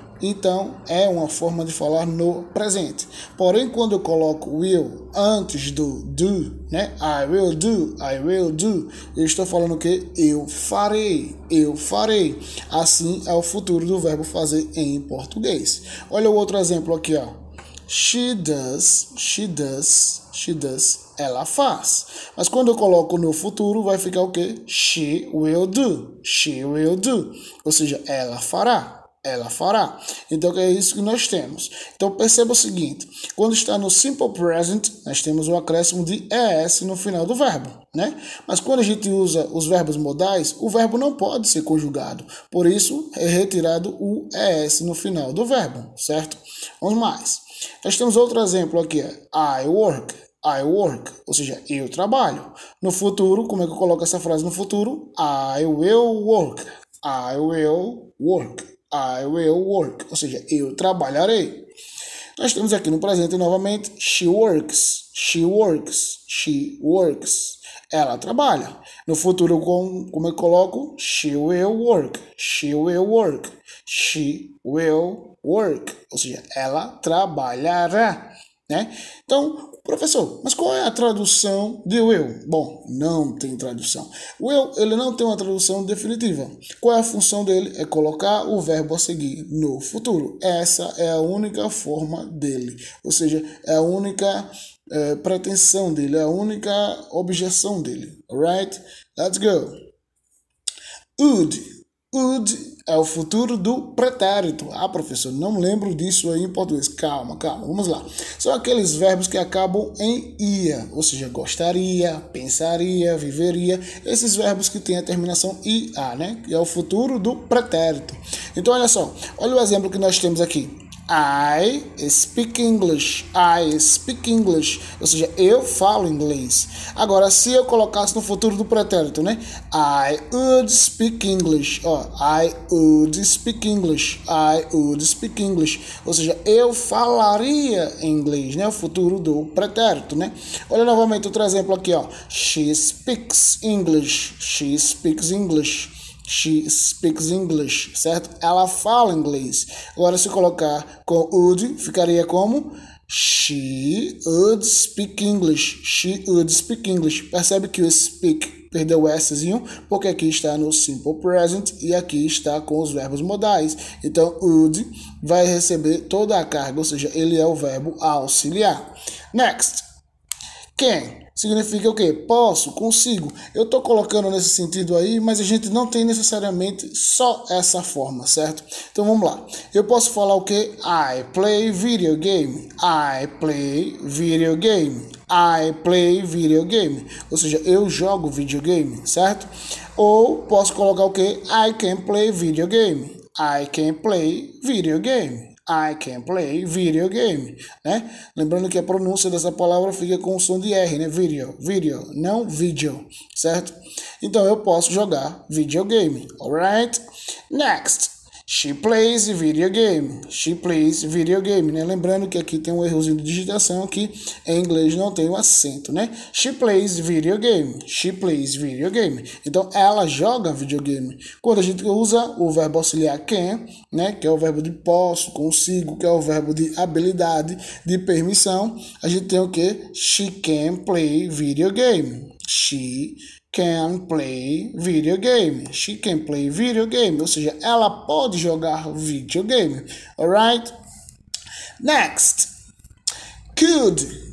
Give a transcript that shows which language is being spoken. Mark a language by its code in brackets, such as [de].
[pt] Então, é uma forma de falar no presente. Porém, quando eu coloco will antes do do, né? [en] I will do, I will do. [pt] Eu estou falando o quê? Eu farei, eu farei. Assim é o futuro do verbo fazer em português. Olha o outro exemplo aqui, ó. [en] She does, she does, she does. [pt] Ela faz. Mas quando eu coloco no futuro, vai ficar o quê? [en] She will do, she will do. [pt] Ou seja, ela fará. Ela fará. Então, é isso que nós temos. Então, perceba o seguinte. Quando está no simple present, nós temos um acréscimo de ES no final do verbo, né? Mas quando a gente usa os verbos modais, o verbo não pode ser conjugado. Por isso, é retirado o ES no final do verbo, certo? Vamos mais. Nós temos outro exemplo aqui. [en] I work. I work. [pt] Ou seja, eu trabalho. No futuro, como é que eu coloco essa frase no futuro? [en] I will work. I will work. I will work, [pt] ou seja, eu trabalharei. Nós temos aqui no presente novamente, [en] she works, she works, she works. [pt] Ela trabalha. No futuro, como eu coloco? [en] She will work, she will work, she will work. [pt] Ou seja, ela trabalhará, né? Então, professor, mas qual é a tradução de will? Bom, não tem tradução. Will, ele não tem uma tradução definitiva. Qual é a função dele? É colocar o verbo a seguir no futuro. Essa é a única forma dele. Ou seja, é a única pretensão dele, é a única objeção dele. [en] Alright? Let's go. [pt] Would. Would é o futuro do pretérito. Ah, professor, não lembro disso aí em português. Calma, calma, vamos lá. São aqueles verbos que acabam em ia, ou seja, gostaria, pensaria, viveria. Esses verbos que têm a terminação ia, né? Que é o futuro do pretérito. Então, olha só, olha o exemplo que nós temos aqui. [en] I speak English. I speak English. [pt] Ou seja, eu falo inglês. Agora, se eu colocasse no futuro do pretérito, né? [en] I would speak English. Oh, I would speak English. I would speak English. [pt] Ou seja, eu falaria inglês, né? O futuro do pretérito, né? Olha novamente outro exemplo aqui, ó. [en] She speaks English. She speaks English. She speaks English, certo? [pt] Ela fala inglês. Agora, se colocar com would, ficaria como? [en] She would speak English. She would speak English. [pt] Percebe que o speak perdeu o Szinho, porque aqui está no simple present e aqui está com os verbos modais. Então, would vai receber toda a carga, ou seja, ele é o verbo auxiliar. Next. Can. Significa o quê? Posso, consigo. Eu estou colocando nesse sentido aí, mas a gente não tem necessariamente só essa forma, certo? Então vamos lá. Eu posso falar o quê? [en] I play video game. I play video game. I play video game. [pt] Ou seja, eu jogo videogame, certo? Ou posso colocar o quê? [en] I can play video game. I can play video game. I can play video game, né? [pt] Lembrando que a pronúncia dessa palavra fica com o som de R, né? Video, video, não video, certo? Então eu posso jogar videogame, alright? [en] Next, she plays video game, she plays video game, né? [pt] Lembrando que aqui tem um errozinho de digitação que em inglês não tem o acento, né? [en] She plays video game, she plays video game. [pt] Então ela joga videogame. Quando a gente usa o verbo auxiliar can, né? Que é o verbo de posso, consigo, que é o verbo de habilidade, de permissão, a gente tem o quê? [en] She can play video game, she can play video game. She can play video game. [pt] Ou seja, ela pode jogar videogame. [en] Alright? Next. [pt] Could.